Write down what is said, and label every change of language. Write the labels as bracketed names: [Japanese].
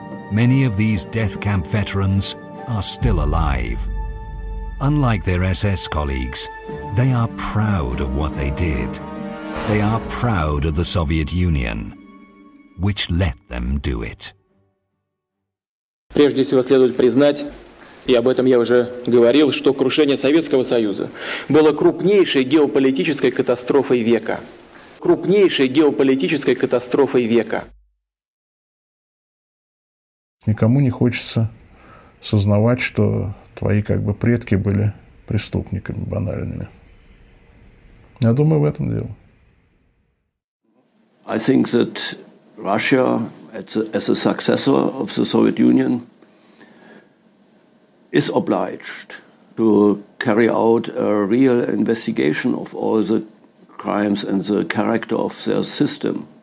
[English] Many of these death camp veterans are still alive. Unlike their SS colleagues, they are proud of what they did. They are proud of the Soviet Union, which let them do it. [Russian] Прежде всего следует признать, и об этом я уже говорил, что крушение Советского Союза было крупнейшей геополитической катастрофой века. Крупнейшей геополитической катастрофой века. Никому не хочется сознавать, что твои как бы предки были преступниками банальными. Я думаю, в этом дело. [English] I think that Russia, as a successor of the Soviet Union, is obliged to carry out a real investigation of all the crimes and the character of their system.